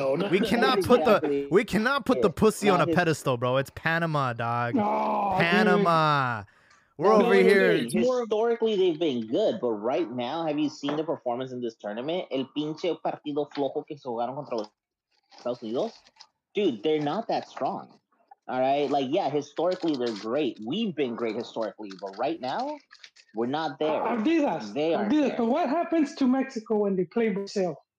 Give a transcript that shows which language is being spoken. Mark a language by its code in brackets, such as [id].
[en] We cannot put the pussy on a pedestal, bro. It's Panama, dog. Panama. We're over here. Historically, they've been good, but right now, have you seen the performance in this tournament? [es] El pinche partido flojo que se jugaron contra Estados Unidos? [en] Dude, they're not that strong. All right? Like, yeah, historically, they're great. We've been great historically, but right now, we're not there. Adidas. So what happens to Mexico when they play Brazil?